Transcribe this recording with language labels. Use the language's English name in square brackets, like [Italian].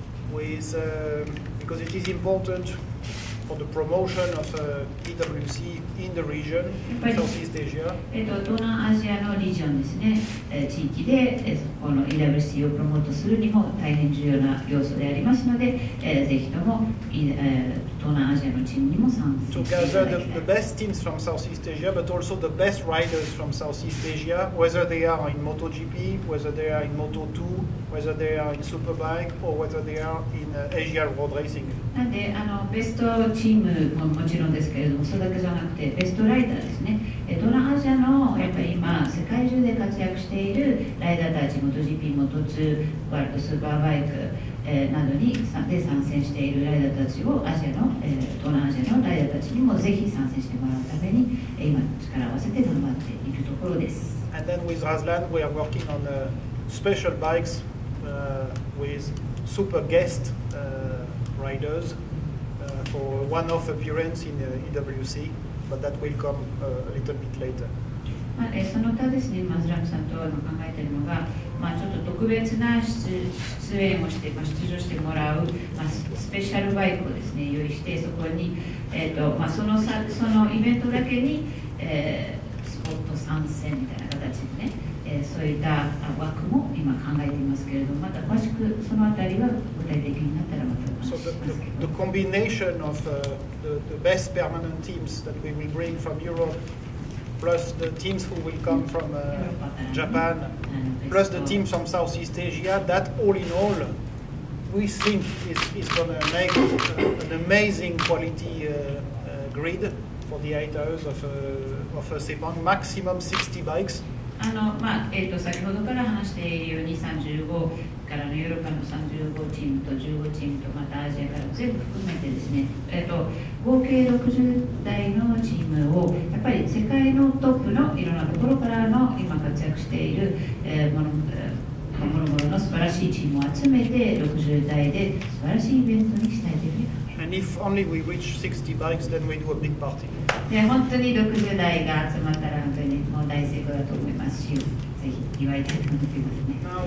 [English] Because it is important for the promotion of PwC in the region, Southeast Asia. [Japanese] 東南アジアのリージョンですね、地域で、この PwC をプロモートするにも大変重要な要素でありますので、ぜひとも、東南アジアのチームにも参加していただきたい。 [English] To gather the best teams from Southeast Asia, but also the best riders from Southeast Asia, whether they are in MotoGP, whether they are in Moto2,whether they are in Superbike or whether they are in Asia Road Racing. [Japanese] なんで、ベストチームももちろんですけれども、それだけじゃなくて、ベストライダーですね。東南アジアのやっぱり今、世界中で活躍しているライダーたち、MotoGP、Moto2、ワールドスーパーバイク、などにで参戦しているライダーたちをアジアの、東南アジアのライダーたちにもぜひ参戦してもらうために、今、力を合わせて頑張っているところです。 [English] And then with Razlan, we are working on special bikes with super guest riders for one-off appearance in EWC, but that will come a little bit later. [Japanese] その他ですね、マズラムさんと考えているのが、まあ、ちょっと特別な出演をして、まあ、出場してもらう、まあ、スペシャルバイクをですね、用意して、そこに、まあ、そのイベントだけに、スポット参戦みたいな形でね、そういった枠も今考えていますけれども、また詳しくそのあたりは具体的になったらまたお話ししますけど。 [English] The combination of the best permanent teams that we will bring from Europe, plus the teams who will come from Japan, plus the teams from Southeast Asia, that all in all, we think is going to make an amazing quality grid for the 8 hours of a sepang, maximum 60 bikes. [Japanese] まあ先ほどから話しているように35からのヨーロッパの35チームと15チームとまたアジアから全部含めてですね、合計60台のチームをやっぱり世界のトップのいろんなところからの今活躍している、ものの素晴らしいチームを集めて60台で素晴らしいイベントにしたいというふうに。 [English] And if only we reach 60 bikes, then we do a big party. [Japanese] Yeah, 本当に60台が集まったら本当にもう大成功だと思いますし、ぜひ祝いたいと思いますね。